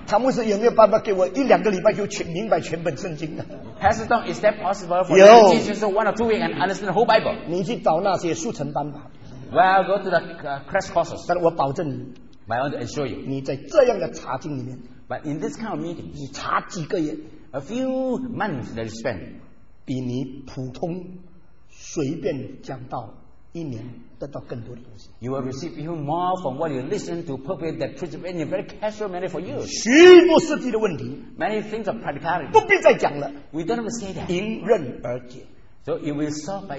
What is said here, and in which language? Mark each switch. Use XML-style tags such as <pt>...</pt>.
<zh>唐牧师有没有办法给我一两个礼拜就明白全本圣经呢？</zh> <en>Pastor Tom, is that possible for you to teach yourself 1 or 2 weeks and understand the whole Bible?</en> <zh>你去找那些速成班吧。</zh> <en>Well, go to the crash courses.</en> <zh>但我保证你。</zh> <en>But I want to assure you.</en> <zh>你在这样的查经里面。</zh> <en>But in this kind of meeting.</en> <zh>你查几个月。</zh> <en>A few months that you spend.</en> <zh>比你普通。随便讲道一年得到更多的东西。</zh> <en>You will receive even more from what you listen to perfect that principle in a very casual manner for you.</en> <zh>许多实际的问题,</zh> <en>many things of practicality.</en> <zh>不必再讲了。</zh> <en>We don't have to say that.</en> <zh>迎刃而解。</zh> <en>So it will solve by itself.</en>